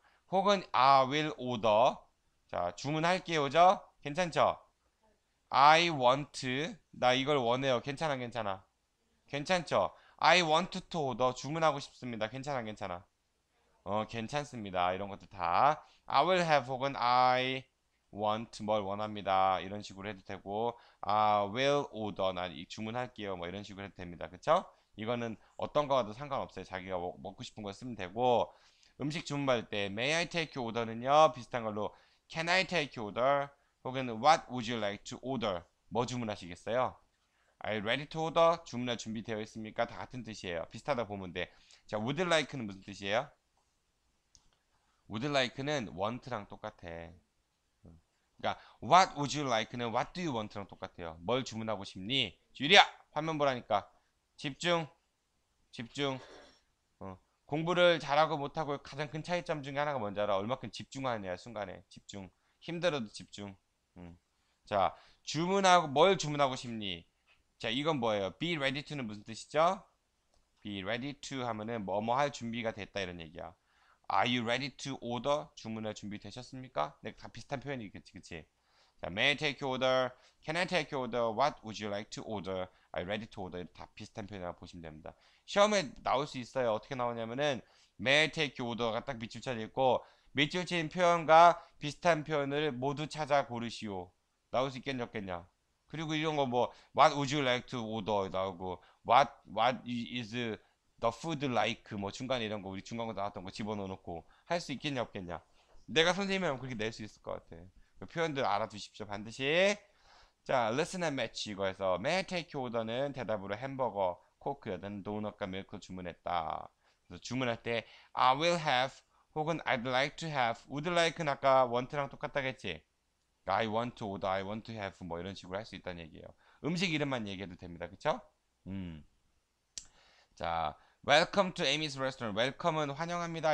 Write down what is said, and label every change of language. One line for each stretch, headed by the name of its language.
English: 혹은 I will order.
Korean: 자, 주문할게요죠? 괜찮죠?
English: I want,
Korean: 나 이걸 원해요. 괜찮아, 괜찮아. 괜찮죠?
English: I want to,
Korean: 너 주문하고 싶습니다. 괜찮아, 괜찮아. 괜찮습니다. 이런 것도 다.
English: I will have 혹은 I want,
Korean: 뭘 원합니다. 이런 식으로 해도 되고,
English: I will order,
Korean: 나 주문할게요. 뭐 이런 식으로 해도 됩니다. 그쵸? 이거는 어떤 거와도 상관없어요. 자기가 먹고 싶은 거 쓰면 되고, 음식 주문받을 때,
English: May I take your order
Korean: 는요?
English: 비슷한 걸로, Can I take your order? 혹은 What would you like to order?
Korean: 뭐 주문하시겠어요?
English: Are you ready to order?
Korean: 주문할 준비되어 있습니까? 다 같은 뜻이에요. 비슷하다 보면 돼. 자,
English: Would like
Korean: 는 무슨 뜻이에요? Would like는 want랑 똑같아. 그러니까
English: What would you like는 What do you want랑 똑같아요.
Korean: 뭘 주문하고 싶니? 유리야! 화면 보라니까. 집중! 집중! 공부를 잘하고 못하고 가장 큰 차이점 중에 하나가 뭔지 알아? 얼마큼 집중하느냐, 순간에. 집중. 힘들어도 집중. 자, 주문하고 뭘 주문하고 싶니? 자, 이건 뭐예요?
English: Be ready to
Korean: 는 무슨 뜻이죠? Be ready to 하면은 뭐뭐 할 준비가 됐다 이런 얘기야.
English: Are you ready to order?
Korean: 주문할 준비 되셨습니까? 네, 다 비슷한 표현이겠지, 그치?
English: 자, May I take your order? Can I take your order? What would you like to order? Are you ready to order?
Korean: 다 비슷한 표현이라고 보시면 됩니다. 시험에 나올 수 있어요. 어떻게 나오냐면은
English: May I take your order
Korean: 가 딱 밑줄 쳐져 있고 밑줄친 표현과 비슷한 표현을 모두 찾아 고르시오. 나올 수 있겠냐 없겠냐. 그리고 이런 거 뭐,
English: What would you like to order? 나오고, What is the food like?
Korean: 뭐 중간에 이런 거, 우리 중간에 나왔던 거 집어넣어놓고 할수 있겠냐 없겠냐. 내가 선생님이면 그렇게 낼수 있을 것 같아. 표현들 알아두십시오, 반드시. 자,
English: Listen and Match
Korean: 이거에서
English: May I take your order
Korean: 는 대답으로 햄버거, 코크여든 도넛과 밀크 주문했다. 그래서 주문할 때
English: I will have 혹은 I'd like to have, would like는 아까 want랑 똑같다겠지? I want to order, I want to have
Korean: 뭐 이런 식으로 할수 있다는 얘기예요. 음식 이름만 얘기해도 됩니다. 그쵸?
English: 자, Welcome to Amy's Restaurant.
Korean: Welcome은 환영합니다.